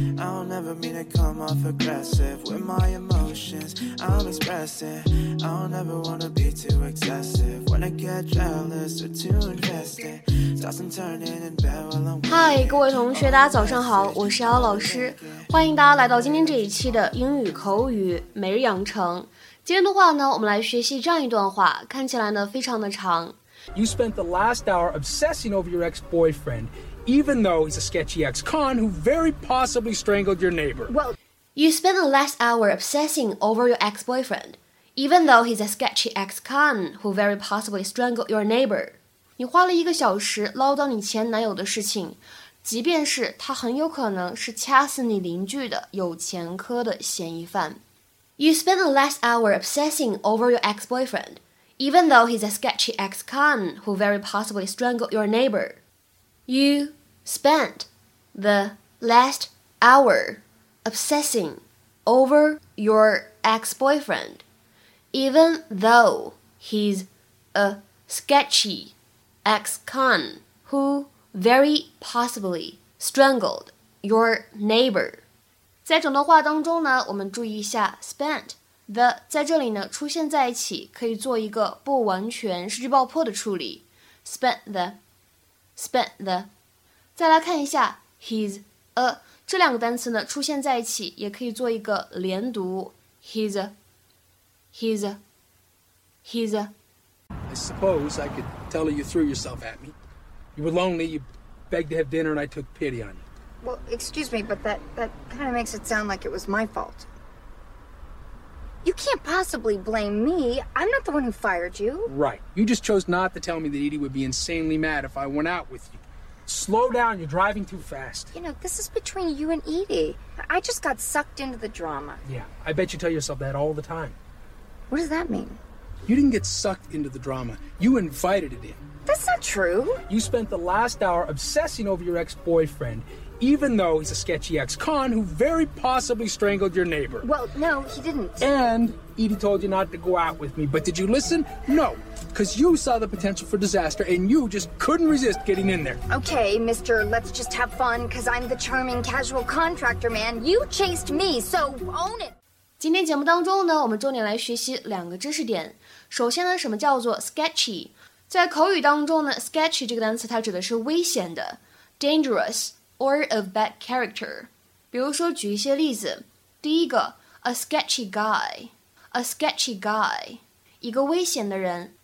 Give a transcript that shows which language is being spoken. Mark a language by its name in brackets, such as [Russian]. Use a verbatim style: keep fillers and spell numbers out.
[English] I don't ever mean to come off aggressive. With my emotions, I'm expressing. I don't ever want to be too excessive. When I get jealous or too invested, toss and turn it in bed while I'm. [Chinese] 嗨，各位同学，大家早上好，我是姚老师，欢迎大家来到今天这一期的英语口语每日养成。今天的话呢，我们来学习这样一段话，看起来呢非常的长。 [English] You spent the last hour obsessing over your ex-boyfriend, even though he's a sketchy ex-con who very possibly strangled your neighbor. Well, you spent the last hour obsessing over your ex-boyfriend, even though he's a sketchy ex-con who very possibly strangled your neighbor. [Chinese] 你花了一个小时唠叨你前男友的事情，即便是他很有可能是掐死你邻居的有前科的嫌疑犯。 [English] You spent the last hour obsessing over your ex-boyfriend. Even though he's a sketchy ex-con who very possibly strangled your neighbor. You spent the last hour obsessing over your ex-boyfriend, even though he's a sketchy ex-con who very possibly strangled your neighbor. [Chinese] 在整段话当中呢，我们注意一下 spent. The 在这里呢出现在一起，可以做一个不完全失去爆破的处理。 [English] Spent the, spent the。 [Chinese] 再来看一下 [English] he's a [Chinese] 这两个单词呢出现在一起，也可以做一个连读。 [English] He's a, he's a, he's a。 I suppose I could tell you threw yourself at me. You were lonely. You begged to have dinner, and I took pity on you. Well, excuse me, but that that kind of makes it sound like it was my fault. You can't possibly blame me. I'm not the one who fired you. Right. You just chose not to tell me that Edie would be insanely mad if I went out with you. Slow down. You're driving too fast. You know, this is between you and Edie. I just got sucked into the drama. Yeah. I bet you tell yourself that all the time. What does that mean? You didn't get sucked into the drama. You invited it in. That's not true. You spent the last hour obsessing over your ex-boyfriend. Even though he's a sketchy ex-con who very possibly strangled your neighbor. Well, no, he didn't. And Edie told you not to go out with me, but did you listen? No, because you saw the potential for disaster and you just couldn't resist getting in there. Okay, Mister Let's Just Have Fun, because I'm the charming casual contractor man. You chased me, so own it. [Chinese] 今天节目当中呢，我们重点来学习两个知识点。首先呢，什么叫做 sketchy？ 在口语当中呢 ，sketchy 这个单词它指的是危险的 ，dangerous。 [English] Or of bad character. [Chinese] 比如说举一些例子。第一个 [English] a sketchy guy, a sketchy guy, [Chinese] 一个危险的人。